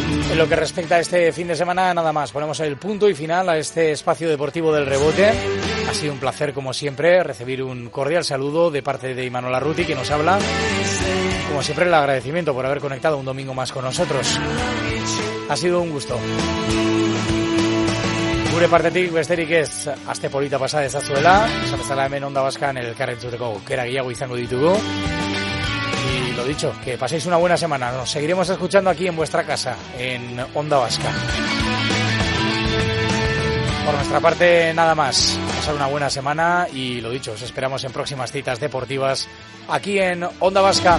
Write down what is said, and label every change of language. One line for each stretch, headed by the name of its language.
Spanish: En lo que respecta a este fin de semana, nada más, ponemos el punto y final a este espacio deportivo del Rebote. Ha sido un placer, como siempre, recibir un cordial saludo de parte de Imanol Arruti, que nos habla. Como siempre, el agradecimiento por haber conectado un domingo más con nosotros. Ha sido un gusto.
Basque: Gure partetik, besterik ez, aste polita pasada ezazuela. Esan bezala hemen Onda Baskan elkarren zuteko aukera gehiago izango ditugu.
Spanish: lo dicho, que paséis una buena semana. Nos seguiremos escuchando aquí en vuestra casa, en Onda Vasca. Por nuestra parte, nada más. Pasar una buena semana y, lo dicho, os esperamos en próximas citas deportivas aquí en Onda Vasca.